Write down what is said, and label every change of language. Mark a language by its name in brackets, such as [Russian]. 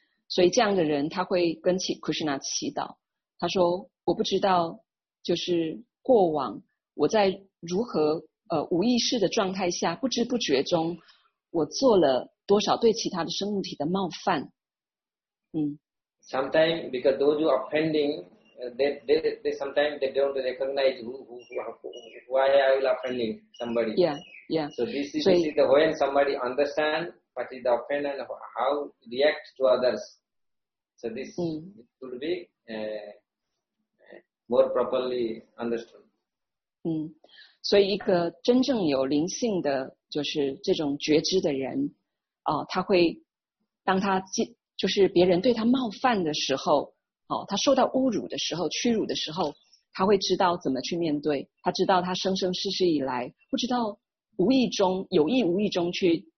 [Chinese] 所以这样的人他会跟 Krishna 祈祷他说我不知道就是过往我在如何无意识的状态下不知不觉中我做了多少对其他的生物体的冒犯 [English] Sometimes because those who are offending they sometimes they don't recognize why I will offending somebody yeah, yeah. So this is the when somebody understand what is the offend and how react to others so this could be more properly understood [Chinese] 所以一个真正有灵性的就是这种觉知的人他会当他就是别人对他冒犯的时候他受到侮辱的时候屈辱的时候他会知道怎么去面对他知道他生生世世以来不知道无意中有意无意中去